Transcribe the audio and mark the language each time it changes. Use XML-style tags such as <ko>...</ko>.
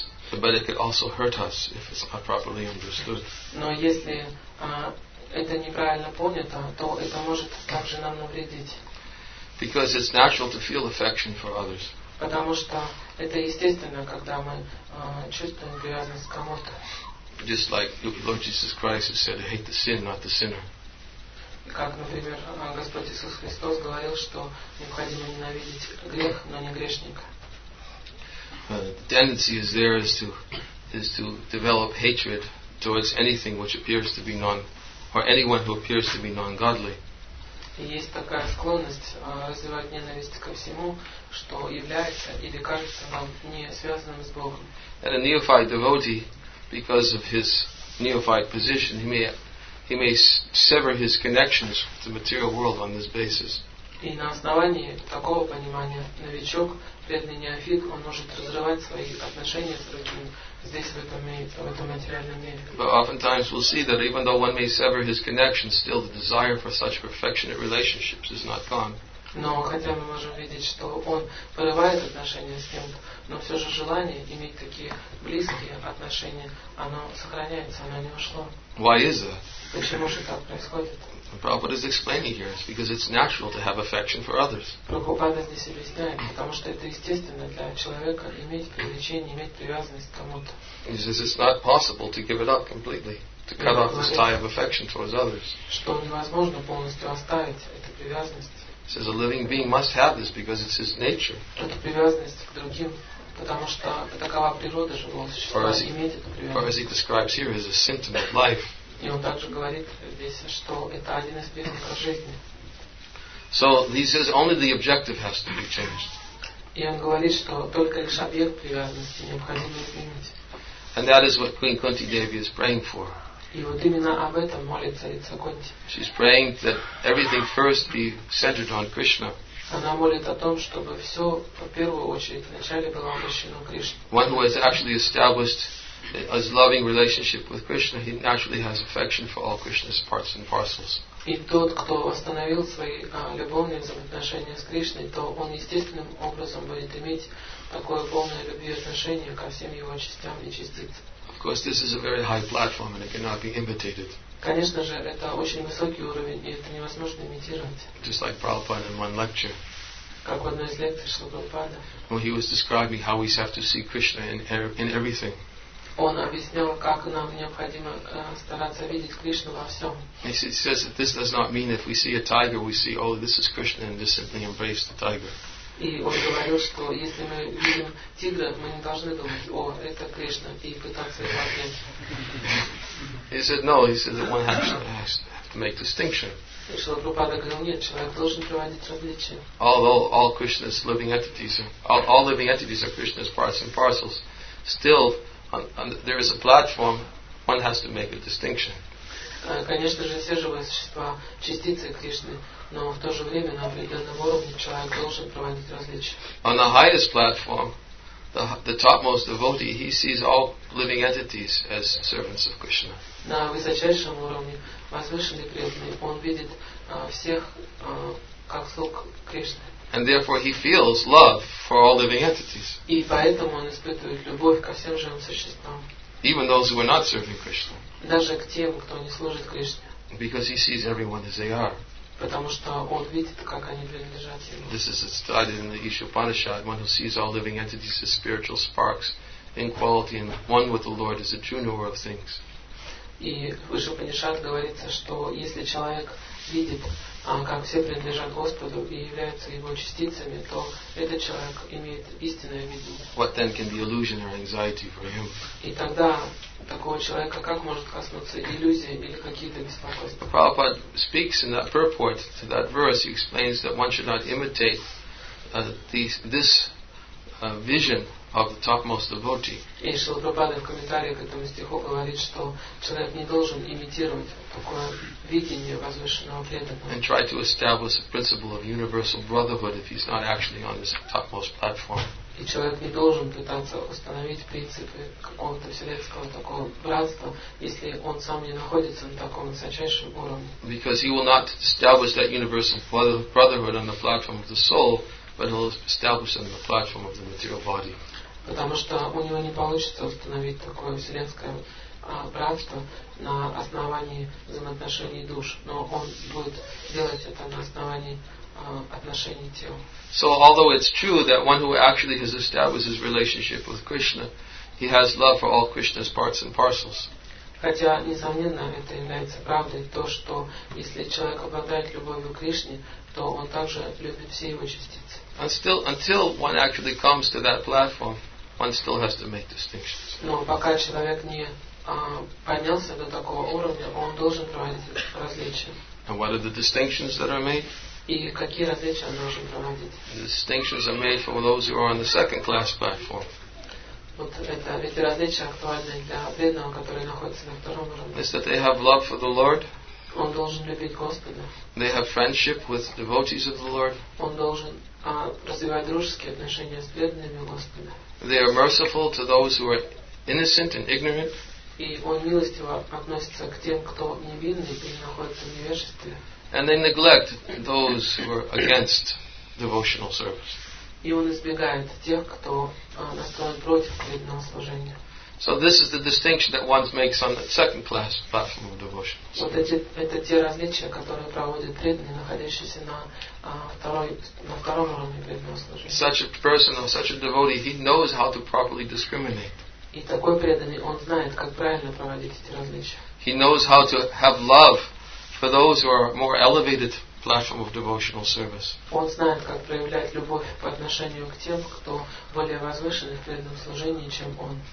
<en>But it could also hurt us if it's not properly understood.</en> <ru>Но если это неправильно понято, то это может также нам навредить.</ru> <en>Because it's natural to feel affection for others.</en> <ru>Потому что это естественно, когда мы чувствуем привязанность к кому-то.</ru> <en>Just like Lord Jesus Christ has said, hate the sin, not the sinner.</en> <ru>Как, например, Господь Иисус Христос говорил, что необходимо ненавидеть грех, но не грешника.</ru> <en>The tendency is there is to develop hatred towards anything which appears to be non, or anyone who appears to be non-godly.</en> <ru>Есть такая склонность развивать ненависть ко всему, что является или кажется нам не связанным с Богом.</ru> <en>And a neophyte devotee, because of his neophyte position, he may sever his connections with the material world on this basis.</en> <ru>И на основании такого понимания новичок, бедный неофит, он может разрывать свои отношения с другим здесь, в этом материальном мире.</ru> <en>But oftentimes we'll see that even though one may sever his connection, still the desire for such affectionate relationships is not gone.</en> <ru>Но хотя мы можем видеть, что он порывает отношения с кем-то, но все же желание иметь такие близкие отношения, оно сохраняется, оно не ушло.</ru> <en>Why is that?</en> <ru>Почему же так происходит?</ru> <en>And Prabhupada is explaining here, it's because it's natural to have affection for others.</en> <ru>Прабхупада здесь объясняет, потому что это естественно для человека иметь привлечение, иметь привязанность к кому-то.</ru> <en>He says it's not possible to give it up completely, to cut off this tie of affection towards others.</en> <ru>Что невозможно полностью оставить эту привязанность.</ru> <en>He says a living being must have this because it's his nature.</en> <ru>Эту привязанность к другим, потому что такова природа живого существа, иметь эту привязанность.</ru> <en>For as he describes here, is a symptom of life.</en> <ru>И он также говорит здесь, что это один из признаков жизни.</ru> <en>So he says only the objective has to be changed.</en> <ru>И он говорит, что только лишь объект привязанности необходимо изменить.</ru> <en>And that is what Queen Kunti Devi is praying for.</en> <ru>И вот именно об этом молится царица Кунти.</ru> <en>She's praying that everything first be centered on Krishna.</en> <ru>Она молит о том, чтобы все в первую очередь вначале было обращено к Кришне.</ru> <en>One who has actually established as loving relationship with Krishna, he naturally has affection for all Krishna's parts and parcels.</en> <ru>И тот, кто восстановил свои любовные взаимоотношения с Кришной, то он естественным образом будет иметь такое полное любви отношение ко всем его частям и частицам.</ru> <en>Of course, this is a very high platform and it cannot be imitated.</en> <ru>Конечно же, это очень высокий уровень, и это невозможно имитировать.</ru> <en>Just like Prabhupada in one lecture.</en> <ru>Как в одной из лекций Шрилы Прабхупады.</ru> <en>Well, he was describing how we have to see Krishna in everything.</en> <ru>Он объяснял, как нам необходимо стараться видеть Кришну во всем.</ru> <en>He says that this does not mean if we see a tiger, we see, oh, this is Krishna, and just simply embrace the tiger.</en> <ru>И он говорил, что если мы видим тигра, мы не должны думать, о, это Кришна, и пытаться его обнять.</ru> <en>He said, no, he said that one has to make distinction.</en> <ru>Шрила Прабхупада говорил, нет, человек должен проводить различия.</ru> <en>All Krishna's living entities, all living entities are Krishna's parts and parcels. Still, on there is a platform, one has to make a distinction.</en> <ru>Конечно же, все живые существа частицы Кришны, но в то же время на определенном уровне человек должен проводить различия.</ru> <en>On the highest platform, the topmost devotee, he sees all living entities as servants of Krishna.</en> <ru>На высочайшем уровне, возвышенный преданный, он видит всех как слуг Кришны.</ru> <en>And therefore he feels love for all living entities.</en> <ru>И поэтому он испытывает любовь ко всем живым существам.</ru> <en>Even those who are not serving Krishna.</en> <ru>Даже к тем, кто не служит Кришне.</ru> <en>Because he sees everyone as they are.</en> <ru>Потому что он видит, как они принадлежат ему.</ru> <en>This is stated in the Ishopanishad. One who sees all living entities as spiritual sparks in quality and one with the Lord is a true knower of things.</en> <ru>И в Ишопанишад говорится, что если человек видит, как все принадлежат Господу и являются Его частицами, то этот человек имеет истинное видение.</ru> <en>What then can be illusion or anxiety for him?</en> <ru>И тогда такого человека как может коснуться иллюзия или какие-то беспокойства?</ru> <en>Prabhupada speaks in that purport to that verse. He explains that one should not imitate this vision of the topmost devotee.</en> <ru>И Шрила Прабхупада в комментарии к этому стиху говорит, что человек не должен имитировать такое видение возвышенного преданного.</ru> <en>And try to establish a principle of universal brotherhood if he's not actually on this topmost platform.</en> <ru>И человек не должен пытаться установить принципы какого-то вселенского такого братства, если он сам не находится на таком высочайшем уровне.</ru> <en>Because he will not establish that universal brotherhood on the platform of the soul, but he'll establish it on the platform of the material body.</en> <ru>Потому что у него не получится установить такое вселенское братство на основании взаимоотношений душ, но он будет делать это на основании отношений тел.</ru> <en>So although it's true that one who actually has established his relationship with Krishna, he has love for all Krishna's parts and parcels.</en> <ru>Хотя, несомненно, это является правдой, то, что если человек обладает любовью к Кришне, то он также любит все его частицы.</ru> <en>And still, until one actually comes to that platform, one still has to make distinctions.</en> <ru>Но пока человек не поднялся до такого уровня, он должен проводить различия.</ru> <en>And what are the distinctions that are made?</en> <ru>И какие различия он должен проводить?</ru> <en>The distinctions are made for those who are on the second class platform.</en> <ru>Вот это эти различия актуальны для бедного, который находится на втором уровне.</ru> <en>Is that they have love for the Lord?</en> <ru>Он должен любить Господа.</ru> <en>They have friendship with devotees of the Lord.</en> <ru>Он должен развивать дружеские отношения с бедными Господа.</ru> <en>They are merciful to those who are innocent and ignorant.</en> <ru>И он милостиво относится к тем, кто невинный и находится в невежестве.</ru> <en>And they neglect those who are against devotional service.</en> <ru>И он избегает тех, кто настроен против преданного служения.</ru> <en>So this is the distinction that one makes on the second class platform of devotion.</en> <ru>Вот это те различия, которые проводят преданные, находящиеся на втором уровне преданного служения.</ru> <en>Such a person or such a devotee, he knows how to properly discriminate.</en> <ru>И такой преданный, он знает, как правильно проводить эти различия.</ru> <en>He knows how to have love for those who are more elevated platform of devotional service.</en> <ru>Он знает, как проявлять любовь по отношению к тем, кто более возвышен в преданном служении, чем он.</ru>